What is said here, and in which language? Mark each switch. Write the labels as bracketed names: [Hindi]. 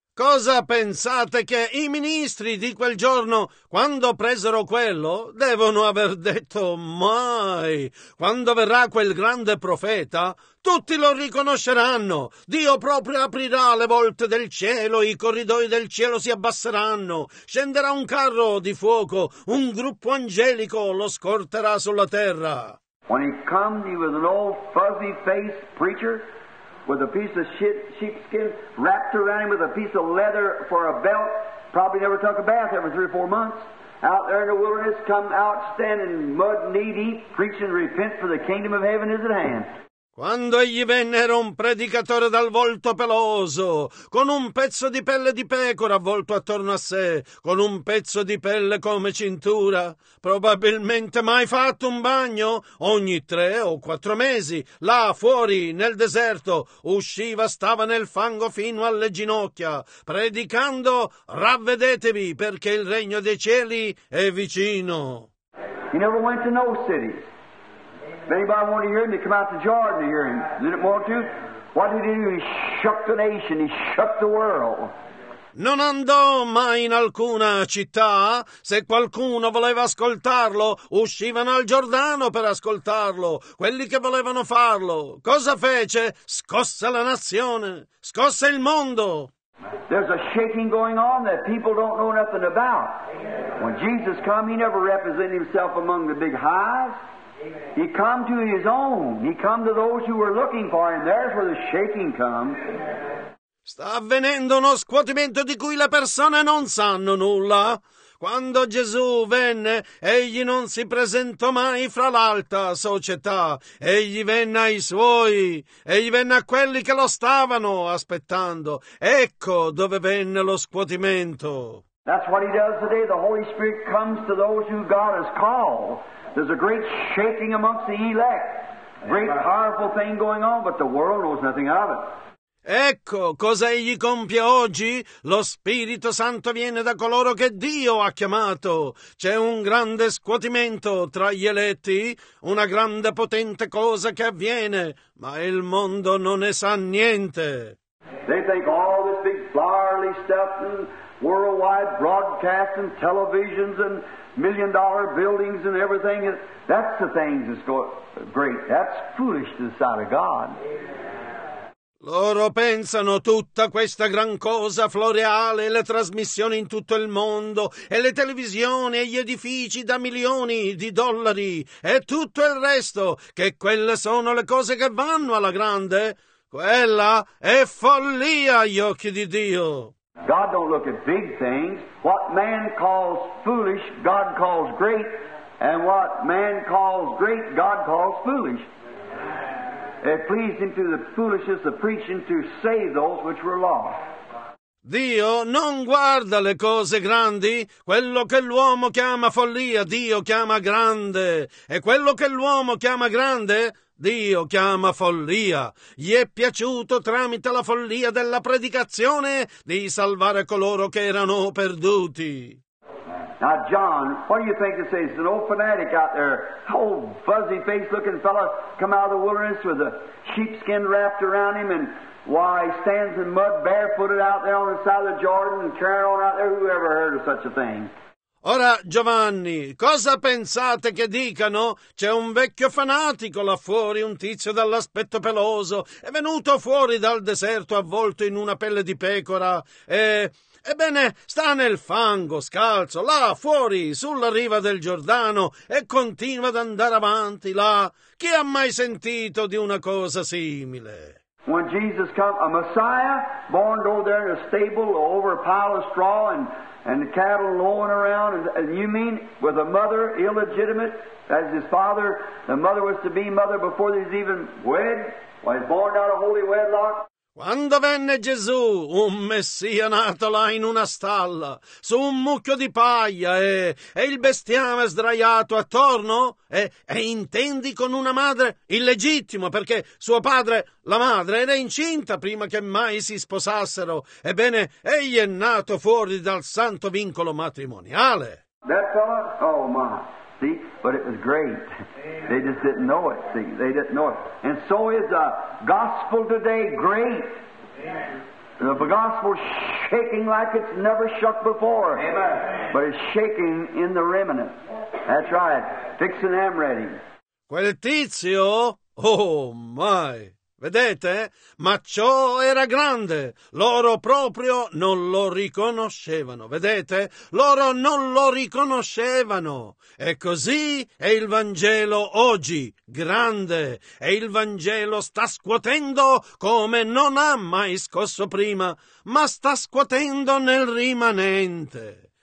[Italian] Cosa pensate che i ministri di quel giorno, quando presero quello, devono aver detto mai? Quando verrà quel grande profeta, tutti lo riconosceranno. Dio proprio aprirà le volte del cielo, i corridoi del cielo si abbasseranno. Scenderà un carro di fuoco, un gruppo angelico lo scorterà sulla terra. [English] When he came, he was an old fuzzy-faced preacher. With a piece of sheepskin wrapped around him with a piece of leather for a belt. Probably never took a bath every 3 or 4 months. Out there in the wilderness, come out standing mud knee deep, preaching, repent for the kingdom of heaven is at hand. [Italian] Quando egli venne era un predicatore dal volto peloso, con un pezzo di pelle di pecora avvolto attorno a sé, con un pezzo di pelle come cintura, probabilmente mai fatto un bagno. Ogni 3 o 4 mesi, là fuori, nel deserto, usciva, stava nel fango fino alle ginocchia, predicando: ravvedetevi, perché il regno dei cieli è vicino. [English] He never went to no city. If anybody wanted to hear him, they'd come out to Jordan to hear him. Didn't want to? What did he do? He shook the nation. He shook the world. [Italian] Non andò mai in alcuna città. Se qualcuno voleva ascoltarlo, uscivano al Giordano per ascoltarlo, quelli che volevano farlo. Cosa fece? Scosse la nazione. Scosse il mondo. [English] There's a shaking going on that people don't know nothing about. When Jesus came, he never represented himself among the big hives. He come to his own. He come to those who were looking for him. There's where the shaking comes. [Italian] Sta avvenendo uno scuotimento di cui le persone non sanno nulla. Quando Gesù venne, egli non si presentò mai fra l'alta società. Egli venne ai suoi. Egli venne a quelli che lo stavano aspettando. Ecco dove venne lo scuotimento. [English] That's what he does today. The Holy Spirit comes to those who God has called. There's a great shaking amongst the elect. Great powerful thing going on, but the world knows nothing of it. [Italian] Ecco cosa egli compie oggi. Lo Spirito Santo viene da coloro che Dio ha chiamato. C'è un grande scuotimento tra gli eletti, una grande potente cosa che avviene, ma il mondo non ne sa niente. [English] They think all this big flowery stuff and worldwide broadcasts and televisions and million-dollar buildings and everything, that's the thing that's great. That's foolish to the sight of God. [Italian] Loro pensano tutta questa gran cosa floreale, le trasmissioni in tutto il mondo, e le televisioni, e gli edifici da milioni di dollari, e tutto il resto, che quelle sono le cose che vanno alla grande. Quella è follia agli occhi di Dio. [English] God don't look at big things. What man calls foolish, God calls great, and what man calls great, God calls foolish. It pleased him through the foolishness of preaching to save those which were lost. [Italian] Dio non guarda le cose grandi, quello che l'uomo chiama follia, Dio chiama grande, e quello che l'uomo chiama grande, Dio chiama follia. Gli è piaciuto tramite la follia della predicazione di salvare coloro che erano perduti. [English] Now John, what do you think it says? An old fanatic out there, old fuzzy face looking fella, come out of the wilderness with a sheepskin wrapped around him, and why stands in mud barefooted out there on the side of the Jordan and carrying on out there? Who ever heard of such a thing? [Italian] Ora, Giovanni, cosa pensate che dicano? C'è un vecchio fanatico là fuori, un tizio dall'aspetto peloso, è venuto fuori dal deserto avvolto in una pelle di pecora e, ebbene, sta nel fango, scalzo, là fuori, sulla riva del Giordano, e continua ad andare avanti, là. Chi ha mai sentito di una cosa simile? [English] When Jesus come, a Messiah, born over there in a stable over a pile of straw and the cattle lowing around, and you mean with a mother illegitimate as his father, the mother was to be mother before he was even wed, while he's born out of holy wedlock? [Italian] Quando venne Gesù, un messia nato là in una stalla, su un mucchio di paglia, e il bestiame sdraiato attorno, e intendi con una madre illegittima, perché suo padre, la madre, era incinta prima che mai si sposassero. Ebbene, egli è nato fuori dal santo vincolo matrimoniale. [English] That fella? Oh my, see, but it was great. They just didn't know it, see, they didn't know it. And so is the gospel today great. Amen. The gospel's shaking like it's never shook before. Amen. But it's shaking in the remnant. That's right, fixing them ready. [Italian] Quel tizio, [English] oh my, [Italian] vedete? Ma ciò era grande, loro proprio non lo riconoscevano, vedete? Loro non lo riconoscevano. E così è il Vangelo oggi, grande, e il Vangelo sta scuotendo come non ha mai scosso prima, ma sta scuotendo nel rimanente.